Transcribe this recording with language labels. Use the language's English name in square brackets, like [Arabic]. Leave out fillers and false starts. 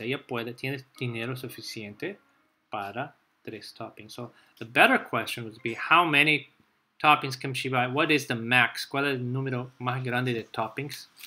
[Spanish] Ella puede, tiene dinero suficiente para tres toppings. [English] So, the better question would be, how many toppings can she buy? What is the max? [Spanish] ¿Cuál es el número más grande de toppings?